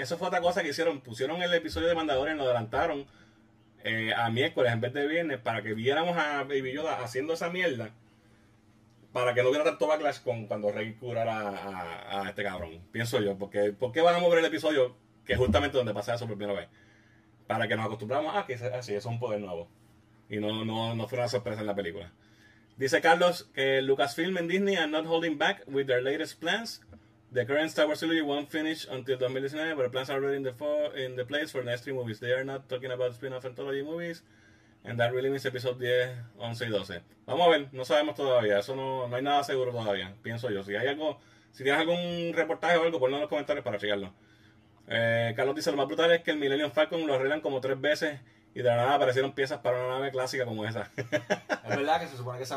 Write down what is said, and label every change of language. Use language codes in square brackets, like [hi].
[es] Eso fue otra cosa que hicieron. Pusieron el episodio de Mandalorian, lo adelantaron a miércoles en vez de viernes para que viéramos a Baby Yoda haciendo esa mierda para que no hubiera tanto backlash con cuando Rey curara a este cabrón. Pienso yo. Porque, ¿por qué van a mover el episodio que es justamente donde pasa eso por primera vez? Para que nos acostumbramos a que así, eso es un poder nuevo. Y no fue una sorpresa en la película. Dice Carlos que [en] Lucasfilm en Disney are not holding back with their latest plans. The current Star Wars trilogy won't finish until 2019, but the plans are already in the place for the next three movies. They are not talking about spin-off anthology movies, and that really means episode 10, 11 y 12. [es] Vamos a ver, no sabemos todavía, eso no hay nada seguro todavía, pienso yo. Si hay algo, si tienes algún reportaje o algo, ponlo en los comentarios para chequearlo. Carlos dice, lo más brutal es que el Millennium Falcon lo arreglan como 3 veces y de la nada aparecieron piezas para una nave clásica como esa. Es verdad que se supone que esa